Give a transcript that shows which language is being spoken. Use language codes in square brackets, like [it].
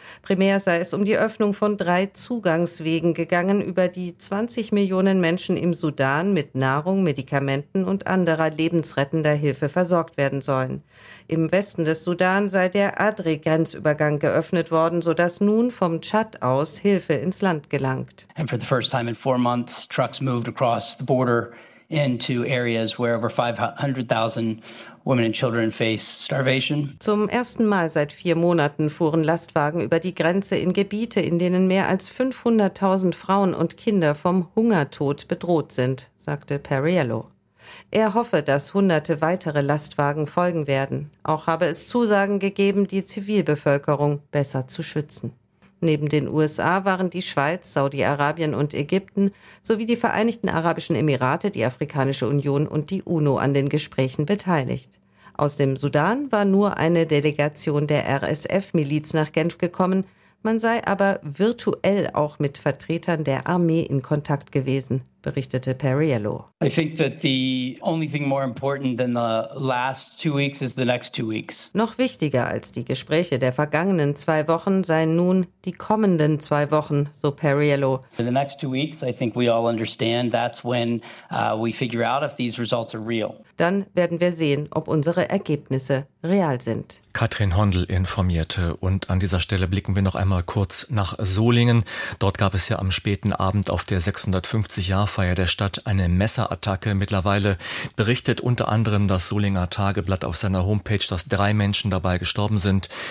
[de] Primär sei es um die Öffnung von 3 Zugangswegen gegangen, über die 20 Millionen Menschen im Sudan mit Nahrung, Medikamenten und anderer lebensrettender Hilfe versorgt werden sollen. Im Westen des Sudan sei der Adre-Grenzübergang geöffnet worden, sodass nun vom Tschad aus Hilfe ins Land gelangt. [en] And for the first time in 4 months, trucks moved across the border into areas where over 500,000 women and children face starvation. [de] Zum ersten Mal seit 4 Monaten fuhren Lastwagen über die Grenze in Gebiete, in denen mehr als 500,000 Frauen und Kinder vom Hungertod bedroht sind, sagte Perriello. Er hoffe, dass hunderte weitere Lastwagen folgen werden. Auch habe es Zusagen gegeben, die Zivilbevölkerung besser zu schützen. Neben den USA waren die Schweiz, Saudi-Arabien und Ägypten sowie die Vereinigten Arabischen Emirate, die Afrikanische Union und die UNO an den Gesprächen beteiligt. Aus dem Sudan war nur eine Delegation der RSF-Miliz nach Genf gekommen, man sei aber virtuell auch mit Vertretern der Armee in Kontakt gewesen, berichtete Perriello. [en] I think that the only thing more important than the last 2 weeks is the next 2 weeks. [de] Noch wichtiger als die Gespräche der vergangenen 2 Wochen seien nun die kommenden 2 Wochen, so Perriello. [en] In the next 2 weeks, I think we all understand that's when we figure out if these results are real. [de] Dann werden wir sehen, ob unsere Ergebnisse real sind. Katrin Hondl informierte. Und an dieser Stelle blicken wir noch einmal kurz nach Solingen. Dort gab es ja am späten Abend auf der 650-Jahr-Feier der Stadt eine Messe. Attacke. Mittlerweile berichtet unter anderem das Solinger Tageblatt auf seiner Homepage, dass 3 Menschen dabei gestorben sind.